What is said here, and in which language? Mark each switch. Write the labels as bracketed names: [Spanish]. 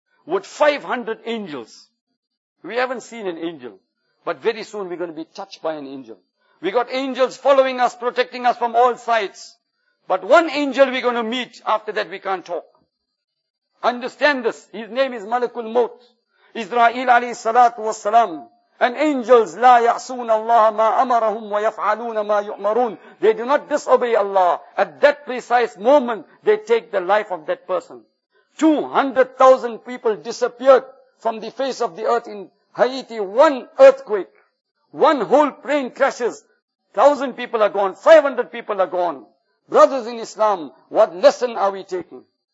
[English] With 500 angels. We haven't seen an angel. But very soon we're going to be touched by an angel. We got angels following us, protecting us from all sides. But one angel we're going to meet, after that we can't talk. Understand this. His name is Malakul Maut. Israel alayhi salatu wasalam. And angels, [Arabic] لا يعصون الله ما أمرهم ويفعلون ما يؤمرون. [English] They do not disobey Allah. At that precise moment, they take the life of that person. 200,000 people disappeared from the face of the earth in Haiti. One earthquake. One whole plane crashes. 1,000 people are gone. 500 people are gone. Brothers in Islam, what lesson are we taking?